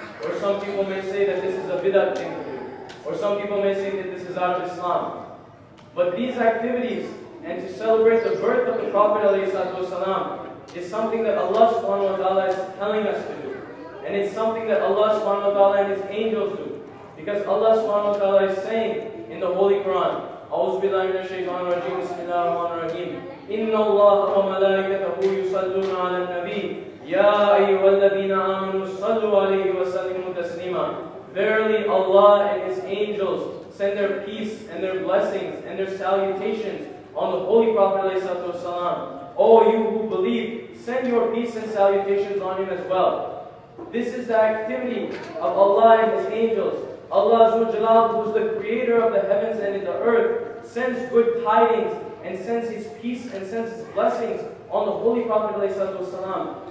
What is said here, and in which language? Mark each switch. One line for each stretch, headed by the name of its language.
English: Or some people may say that this is a bid'ah thing to do. Or some people may say that this is out of Islam. But these activities, and to celebrate the birth of the Prophet ﷺ, is something that Allah subhanahu wa ta'ala is telling us to do. And it's something that Allah subhanahu wa ta'ala and His angels do. Because Allah subhanahu wa ta'ala is saying in the Holy Quran,
Arabic: أعوذ بالله من الشيطان الرجيم بسم الله الرحمن الرحيم إن الله وملائكته يصلون على النبي يا أيها الذين آمنوا صلوا عليه وسلموا تسليما.
English: Verily Allah and His angels send their peace and their blessings and their salutations on the Holy Prophet ﷺ. O you who believe, send your peace and salutations on Him as well. This is the activity of Allah and His angels. Allah Azza wa Jalal, who is the creator of the heavens and the earth, sends good tidings and sends His peace and sends His blessings on the Holy Prophet ﷺ.